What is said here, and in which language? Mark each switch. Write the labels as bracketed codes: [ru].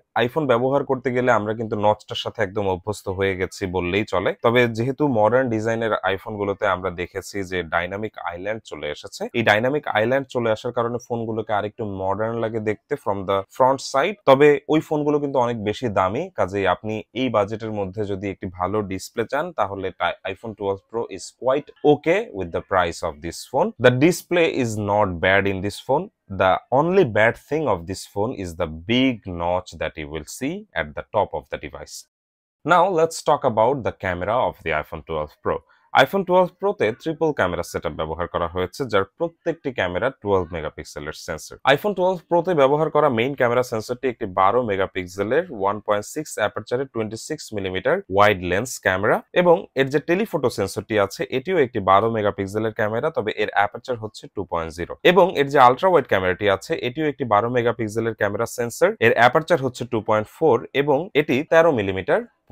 [bn] IPhone ব্যবহার করতে গেলে আমরা কিন্তু নচটার সাথে একদম অভ্যস্ত হয়ে গেছি বললেই চলে তবে যেহেতু মডার্ন ডিজাইনের আইফোনগুলোতে আমরা দেখেছি যে ডাইনামিক আইল্যান্ড চলে এসেছে এই ডাইনামিক আইল্যান্ড চলে আসার কারণে ফোনগুলোকে আরেকটু মডার্ন লাগে দেখতে [en] from the front side [bn] তবে ওই ফোনগুলো কিন্তু অনেক বেশি দামি কাজেই আপনি এই বাজেটের মধ্যে যদি একটি ভালো ডিসপ্লে চান তাহলে [en] IPhone 12 pro is quite okay with the price of this phone the display is not bad in this phone The only bad thing of this phone is the big notch that you will see at the top of the device. Now let's talk about the camera of the iPhone 12 Pro. [bn] iPhone 12 Pro তে triple camera setup ব্যবহার করা হয়েছে যার প্রত্যেকটি camera 12 মেগাপিক্সেলের sensor iPhone 12 Pro তে ব্যবহার করা মেইন ক্যামেরা সেন্সরটি একটি 12 মেগাপিক্সেলের 1.6 অ্যাপারচারের 26 মিলিমিটার ওয়াইড লেন্স ক্যামেরা এবং এর যে টেলিফটো সেন্সরটি আছে এটিও একটি 12 মেগাপিক্সেলের ক্যামেরা তবে এর অ্যাপারচার হচ্ছে 2.0 এবং এর যে আলট্রা ওয়াইড ক্যামেরাটি আছে এটিও একটি 12 মেগাপিক্সেলের ক্যামেরা সেন্সর এর অ্যাপারচার হচ্ছে 2.4 এবং এটি 13 মিলিমিটার